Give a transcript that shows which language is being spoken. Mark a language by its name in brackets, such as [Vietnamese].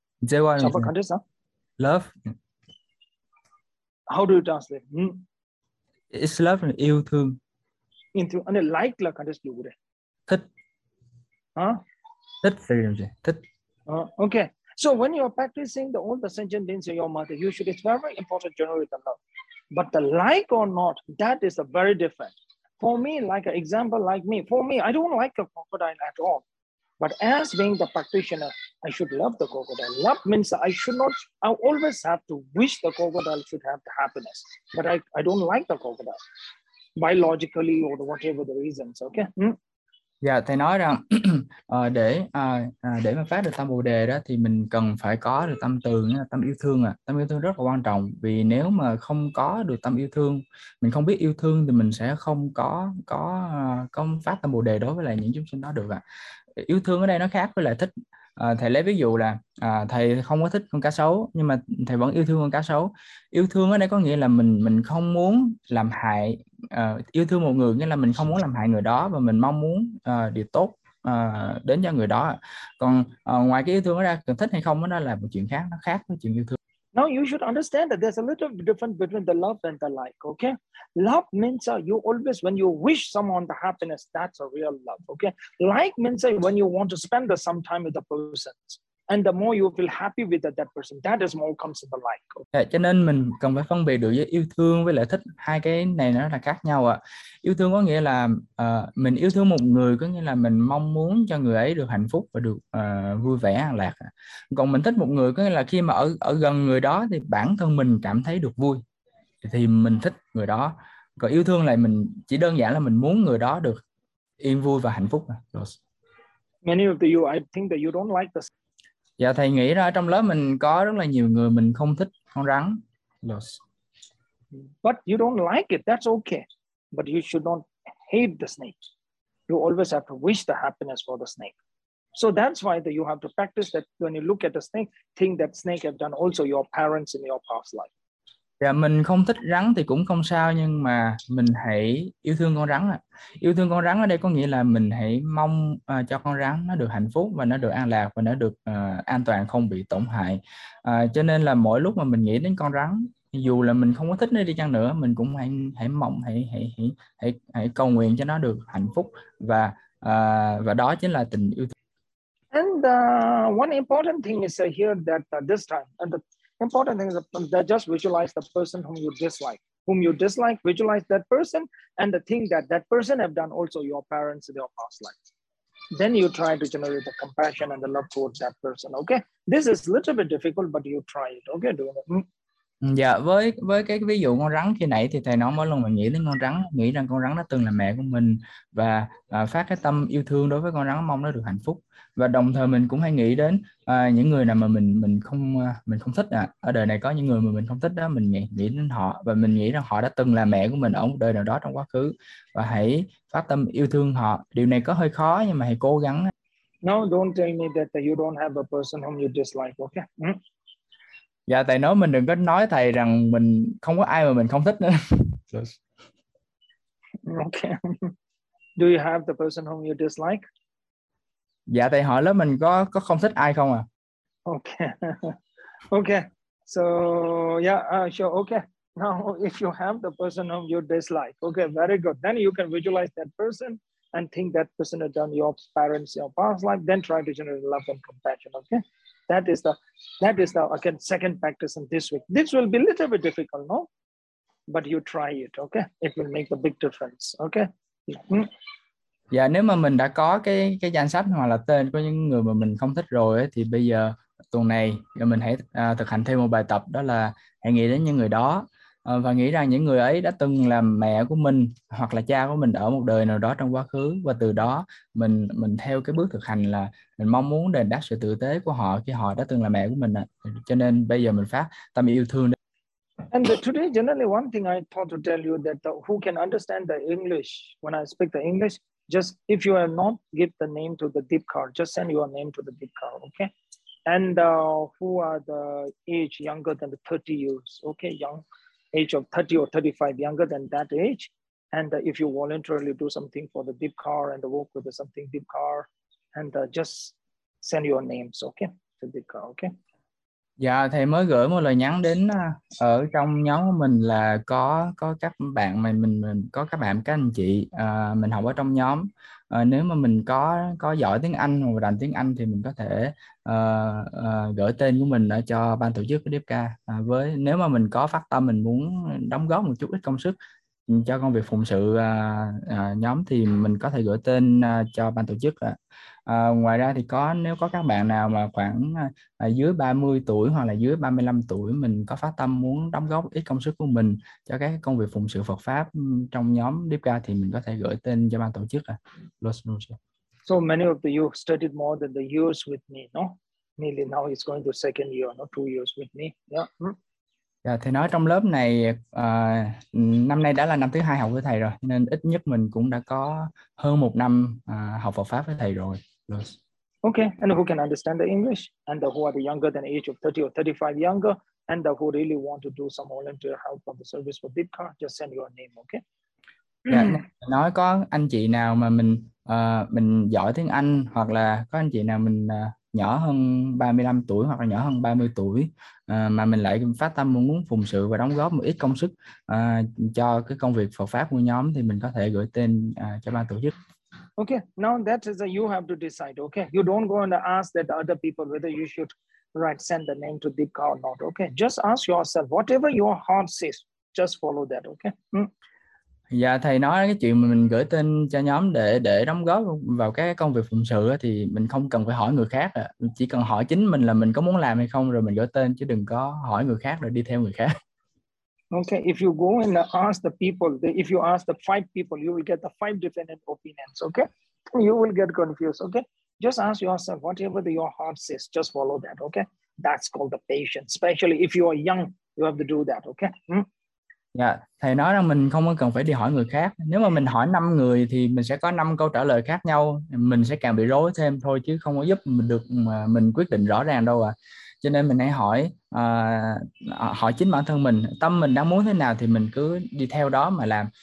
[English] Chamba contest love, how do you translate It's love, [Vietnamese] yêu thương [English] into and like [Vietnamese] là [English] contest [Vietnamese] chịu đấy, thích hả thích [English] freedom [Vietnamese] chứ thích [English] okay. So when you are practicing the all the sentient beings in your mother, you should, it's very important to generate the love. But the like or not, that is a very different. For me, like an example, like me, for me, I don't like a crocodile at all. But as being the practitioner, I should love the crocodile. Love means I should not, I always have to wish the crocodile should have the happiness. But I don't like the crocodile, biologically or whatever the reasons, okay? [Vietnamese] Dạ, thầy nói rằng để mà phát được tâm bồ đề đó thì mình cần phải có được tâm từ, tâm yêu thương à. Tâm yêu thương rất là quan trọng, vì nếu mà không có được tâm yêu thương, mình không biết yêu thương thì mình sẽ không có phát tâm bồ đề đối với lại những chúng sinh đó được ạ. Yêu thương ở đây nó khác với lại thích. Thầy lấy ví dụ là thầy không có thích con cá sấu nhưng mà thầy vẫn yêu thương con cá sấu. Yêu thương ở đây có nghĩa là mình không muốn làm hại, yêu thương một người nghĩa là mình không muốn làm hại người đó và mình mong muốn điều tốt đến cho người đó. Còn ngoài cái yêu thương đó ra, cần thích hay không đó là một chuyện khác, nó khác với chuyện yêu thương. [English] Now you should understand that there's a little difference between the love and the like, okay? Love means you always, when you wish someone the happiness, that's a real love, okay? Like means when you want to spend some time with the person. And the more you feel happy with that person, that is more comes to the like. Okay? [Vietnamese] Cho nên mình cần phải phân biệt được giữa yêu thương với lại thích. Hai cái này nó là khác nhau ạ. Yêu thương có nghĩa là mình yêu thương một người, có nghĩa là mình mong muốn cho người ấy được hạnh phúc và được vui vẻ, an lạc. Còn mình thích một người, có nghĩa là khi mà ở gần người đó thì bản thân mình cảm thấy được vui. Thì mình thích người đó. Còn yêu thương là mình chỉ đơn giản là mình muốn người đó được yên vui và hạnh phúc. Rồi. [English] Many of you, I think that you don't like this. [Vietnamese] Dạ, thầy nghĩ ra trong lớp mình có rất là nhiều người mình không thích con rắn. [English] Yes. But you don't like it, that's okay. But you should not hate the snake. You always have to wish the happiness for the snake. So that's why you have to practice that when you look at the snake, think that snake have done also your parents in your past life. [Vietnamese] Dạ, mình không thích rắn thì cũng không sao, nhưng mà mình hãy yêu thương con rắn ạ. Yêu thương con rắn ở đây có nghĩa là mình hãy mong cho con rắn nó được hạnh phúc và nó được an lạc và nó được an toàn, không bị tổn hại. Cho nên là mỗi lúc mà mình nghĩ đến con rắn, dù là mình không có thích nó đi chăng nữa, mình cũng hãy hãy mong hãy hãy hãy hãy, hãy cầu nguyện cho nó được hạnh phúc, và đó chính là tình yêu thương. [English] And one important thing is here that this time, and the important thing is that just visualize the person whom you dislike. Whom you dislike, visualize that person and the thing that that person have done, also your parents in your past life. Then you try to generate the compassion and the love towards that person, okay? This is a little bit difficult, but you try it, okay? Doing it. [Vietnamese] Dạ, với cái ví dụ con rắn khi nãy thì thầy nói mỗi lần mình nghĩ đến con rắn, nghĩ rằng con rắn nó từng là mẹ của mình, và phát cái tâm yêu thương đối với con rắn, mong nó được hạnh phúc. Và đồng thời mình cũng hay nghĩ đến những người nào mà mình không thích à. Ở đời này có những người mà mình không thích đó, mình nghĩ đến họ và mình nghĩ rằng họ đã từng là mẹ của mình ở một đời nào đó trong quá khứ, và hãy phát tâm yêu thương họ. Điều này có hơi khó nhưng mà hãy cố gắng. [English] No, don't tell me that you don't have a person whom you dislike, okay? [Vietnamese] Dạ, thầy nói mình đừng có nói thầy rằng mình không có ai mà mình không thích nữa. [English] Yes. Okay. Do you have the person whom you dislike? [Vietnamese] Dạ, thầy hỏi lớp mình có không thích ai không à? [English] Okay. Okay. So, yeah, sure. Okay. Now, if you have the person whom you dislike, okay, very good. Then you can visualize that person and think that person has done your parents your past life, then try to generate love and compassion, okay? That is the again second practice in this week. This will be a little bit difficult, no? But you try it, okay? It will make a big difference, okay? [Vietnamese] Dạ, nếu mà mình đã có cái danh sách hoặc là tên của những người mà mình không thích rồi ấy, thì bây giờ tuần này mình hãy thực hành thêm một bài tập, đó là hãy nghĩ đến những người đó và nghĩ rằng những người ấy đã từng là mẹ của mình hoặc là cha của mình ở một đời nào đó trong quá khứ, và từ đó mình theo cái bước thực hành là mình mong muốn đền đáp sự tử tế của họ khi họ đã từng là mẹ của mình à. Cho nên bây giờ mình phát tâm yêu thương đó. [English] And today, generally, one thing I thought to tell you that who can understand the English when I speak the English, just if you have not give the name to the deep card, just send your name to the deep card, okay? And who are the age younger than the 30 years, okay? Young age of 30 or 35, younger than that age. And if you voluntarily do something for the deep card and work with something deep card, and just send your names, okay? To the deep card, okay? [Vietnamese] Dạ, thầy mới gửi một lời nhắn đến ở trong nhóm của mình là có các bạn mà mình có các bạn các anh chị mình học ở trong nhóm. Nếu mà mình có giỏi tiếng Anh hoặc rành tiếng Anh thì mình có thể gửi tên của mình ở cho ban tổ chức của DFK, với nếu mà mình có phát tâm mình muốn đóng góp một chút ít công sức cho công việc phụng sự nhóm thì mình có thể gửi tên cho ban tổ chức ạ. Ngoài ra thì nếu có các bạn nào mà khoảng dưới 30 tuổi hoặc là dưới 35 tuổi, mình có phát tâm muốn đóng góp ít công sức của mình cho các công việc phụng sự Phật pháp trong nhóm Deepa thì mình có thể gửi tên cho ban tổ chức à. [English] So many of the you studied more than the years with me, no? Nearly now it's going to second year, no? 2 years with me, yeah. [Vietnamese] Dạ, thầy nói trong lớp này năm nay đã là năm thứ hai học với thầy rồi, nên ít nhất mình cũng đã có hơn một năm học Phật pháp với thầy rồi. [English] Okay, and who can understand the English? And who are the younger than age of 30 or 35 younger? And who really want to do some volunteer help on the service for Bitcoin? Just send your name, okay? [Vietnamese] Dạ, nói có anh chị nào mà mình giỏi tiếng Anh, hoặc là có anh chị nào mình nhỏ hơn 35 tuổi hoặc là nhỏ hơn 30 tuổi mà mình lại phát tâm muốn phụng sự và đóng góp một ít công sức cho cái công việc Phật pháp của nhóm thì mình có thể gửi tên cho ban tổ chức. [English] Okay, now that is a you have to decide. Okay, you don't go and ask that other people whether you should write send the name to Deepka or not. Okay, just ask yourself whatever your heart says, just follow that. Okay. [Vietnamese] Dạ, thầy nói cái chuyện mà mình gửi tên cho nhóm để đóng góp vào cái công việc phụng sự thì mình không cần phải hỏi người khác à. Chỉ cần hỏi chính mình là mình có muốn làm hay không rồi mình gửi tên, chứ đừng có hỏi người khác rồi đi theo người khác. [English] Okay, if you go and ask the people, if you ask the five people, you will get the five different opinions, okay? You will get confused, okay? Just ask yourself whatever your heart says, just follow that, okay? That's called the patience. Especially if you are young, you have to do that, okay? [Vietnamese] Dạ, thầy nói rằng mình không cần phải đi hỏi người khác. Nếu mà mình hỏi 5 người thì mình sẽ có 5 câu trả lời khác nhau, mình sẽ càng bị rối thêm thôi, chứ không có giúp mình được mà mình quyết định rõ ràng đâu à. cho nên mình hãy hỏi hỏi chính bản thân mình, tâm mình đang muốn thế nào thì mình cứ đi theo đó mà làm.